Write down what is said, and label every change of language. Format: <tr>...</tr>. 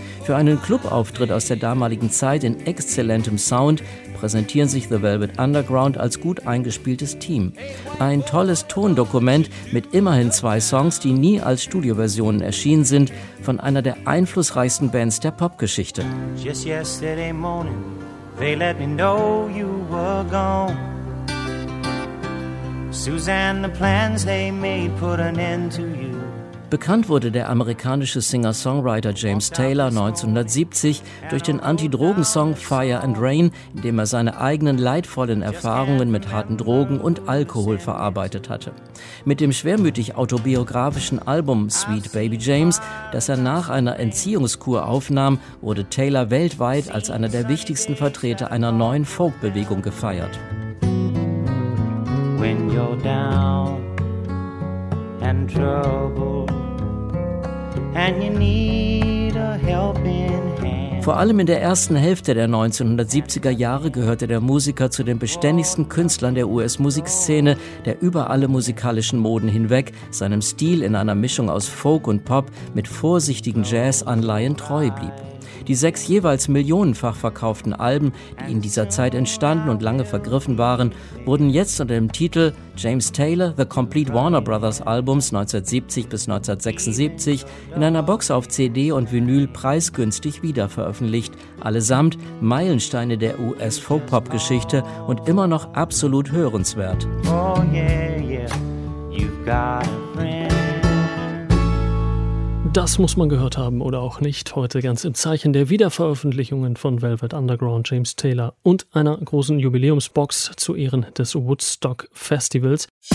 <de>Für einen Clubauftritt aus der damaligen Zeit in exzellentem Sound präsentieren sich The Velvet Underground als gut eingespieltes Team. Ein tolles Tondokument mit immerhin 2 Songs, die nie als Studioversionen erschienen sind, von einer der einflussreichsten Bands der Popgeschichte.</de> <en>Just yesterday morning, they let me know you were gone. Suzanne, the plans they made put an end to you.</en> <de>Bekannt wurde der amerikanische Singer-Songwriter James Taylor 1970 durch den Anti-Drogen-Song Fire and Rain, in dem er seine eigenen leidvollen Erfahrungen mit harten Drogen und Alkohol verarbeitet hatte. Mit dem schwermütig autobiografischen Album Sweet Baby James, das er nach einer Entziehungskur aufnahm, wurde Taylor weltweit als einer der wichtigsten Vertreter einer neuen Folk-Bewegung gefeiert.</de> <en>When you're down and trouble, and you need a helping hand.</en> <de>Vor allem in der ersten Hälfte der 1970er Jahre gehörte der Musiker zu den beständigsten Künstlern der US-Musikszene, der über alle musikalischen Moden hinweg seinem Stil in einer Mischung aus Folk und Pop mit vorsichtigen Jazz-Anleihen treu blieb. Die 6 jeweils millionenfach verkauften Alben, die in dieser Zeit entstanden und lange vergriffen waren, wurden jetzt unter dem Titel James Taylor, The Complete Warner Brothers Albums 1970 bis 1976 in einer Box auf CD und Vinyl preisgünstig wiederveröffentlicht, allesamt Meilensteine der US-Folk-Pop-Geschichte und immer noch absolut hörenswert.</de> <en>Oh yeah, yeah, you've got a friend.</en> <de>Das muss man gehört haben oder auch nicht. Heute ganz im Zeichen der Wiederveröffentlichungen von Velvet Underground, James Taylor und einer großen Jubiläumsbox zu Ehren des Woodstock Festivals.</de>